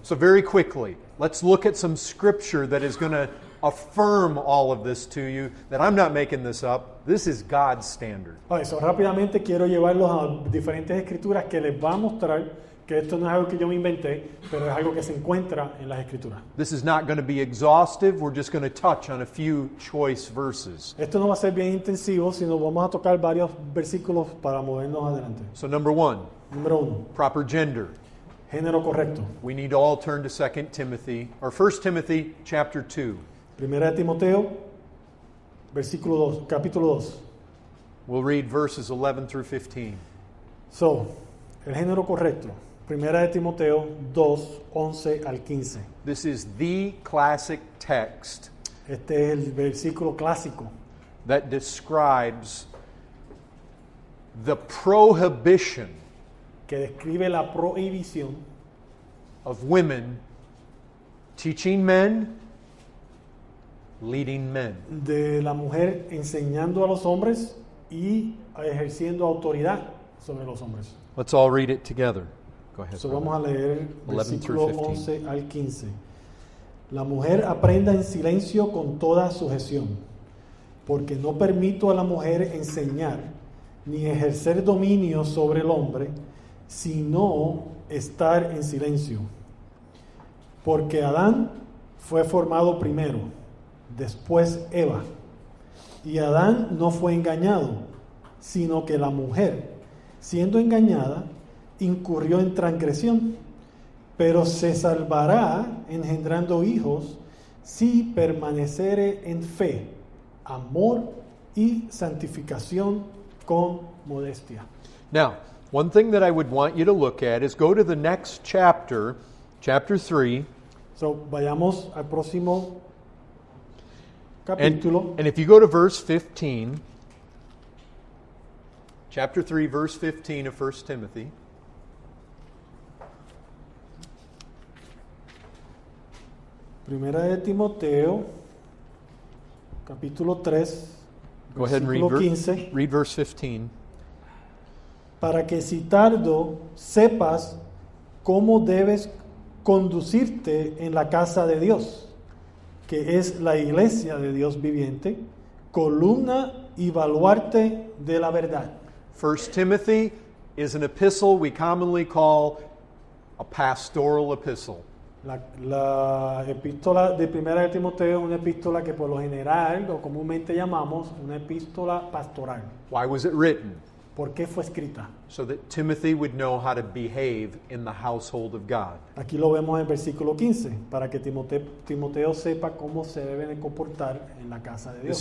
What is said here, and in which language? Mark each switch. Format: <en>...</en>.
<en>So very quickly, let's look at some scripture that is going to affirm all of this to you, that I'm not making this up. This is God's standard. All right, so</en> <es>rápidamente quiero llevarlos a diferentes escrituras que les va a mostrar que esto no es algo que yo me inventé, pero es algo que se encuentra en las escrituras.</es> <en>This is not going to be exhaustive. We're just going to touch on a few choice verses.</en> <es>Esto no va a ser bien intensivo, sino vamos a tocar varios versículos para movernos adelante.</es> <en>So number one.</en> <es>Número uno.</es> <en>Proper gender.</en> <es>Género correcto.</es> <en>We need to all turn to 2 Timothy, or 1 Timothy chapter 2.</en> <es>Primera de Timoteo, versículo 2, capítulo 2.</es> <en>We'll read verses 11 through 15.</en> <es>So, el género correcto. Primera de Timoteo 2, 11 al 15.</es> <en>This is the classic text.</en> <es>Este es el versículo clásico.</es> <en>That describes the prohibition.</en> <es>Que describe la prohibición.</es> <en>Of women teaching men, leading men.</en> <es>De la mujer enseñando a los hombres y ejerciendo autoridad sobre los hombres.</es> <en>Let's all read it together. Go ahead.</en> <es>So vamos a leer versículo 11 al 15. La mujer aprenda en silencio con toda sujeción, porque no permito a la mujer enseñar ni ejercer dominio sobre el hombre, sino estar en silencio. Porque Adán fue formado primero, después Eva. Y Adán no fue engañado, sino que la mujer, siendo engañada, incurrió en transgresión, pero se salvará engendrando hijos si permaneciere en fe, amor y santificación con modestia.</es> <en>Now, one thing that I would want you to look at is go to the next chapter, chapter 3.</en> <es>So, vayamos al próximo capítulo.</es> <en>And if you go to verse 15, chapter 3, verse 15 of 1 Timothy.</en> <es>Primera de Timoteo, capítulo 3,</es> <en>go ahead and read 15. Read verse 15.</en> <es>Para que si tardo sepas cómo debes conducirte en la casa de Dios, que es la iglesia de Dios viviente, columna y baluarte de la verdad.</es> <en>First Timothy is an epistle we commonly call a pastoral epistle.</en> <es>La epístola de Primera de Timoteo es una epístola que por lo general o comúnmente llamamos una epístola pastoral.</es> <en>Why was it written?</en> <es>¿Por qué fue escrita?</es> <en>So that Timothy would know how to behave in the household of God.</en> <es>Aquí lo vemos en versículo 15, para que Timoteo sepa cómo se debe de comportar en la casa de Dios.</es>